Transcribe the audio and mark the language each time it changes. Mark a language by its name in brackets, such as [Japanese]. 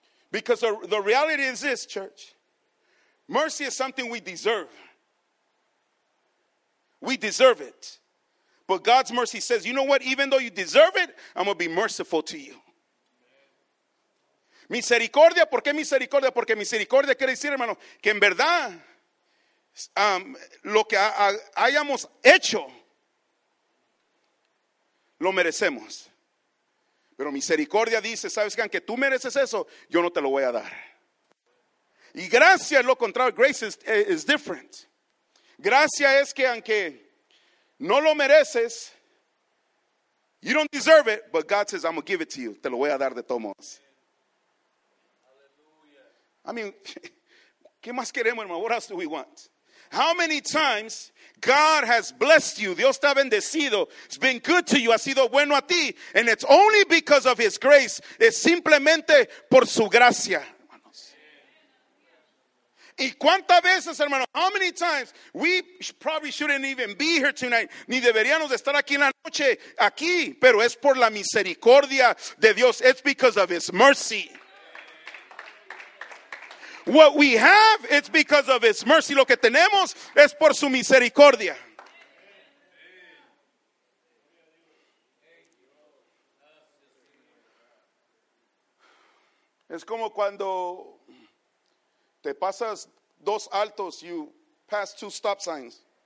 [English] Because the reality is this, church. Mercy is something we deserve. We deserve it. But God's mercy says, you know what? Even though you deserve it, I'm going to be merciful to you. [Spanish] Misericordia, ¿por qué misericordia? Porque misericordia quiere decir, hermano, que en verdad, lo que hayamos hecho, lo merecemos. Pero misericordia dice, ¿sabes qué? Aunque tú mereces eso, yo no te lo voy a dar. Y gracia es lo contrario, [English] grace is different. [Spanish] Gracia es que aunque no lo mereces, [English] you don't deserve it, but God says, I'm going to give it to you, [Spanish] te lo voy a dar de todos modos. [English] I mean, [Spanish] ¿qué más queremos, hermano? [English] What else do we want? How many times God has blessed you? [Spanish] Dios te ha bendecido. [English] It's been good to you. [Spanish] Ha sido bueno a ti. [English] And it's only because of his grace. [Spanish] Es simplemente por su gracia, hermanos. ¿Y cuántas veces, hermano? [English] How many times? We probably shouldn't even be here tonight. [Spanish] Ni deberíamos estar aquí en la noche, aquí. Pero es por la misericordia de Dios. [English] It's because of his mercy. What we have, it's because of his mercy. [Spanish] Lo que tenemos es por su misericordia. Es como cuando te pasas dos altos, [English] you pass two stop signs.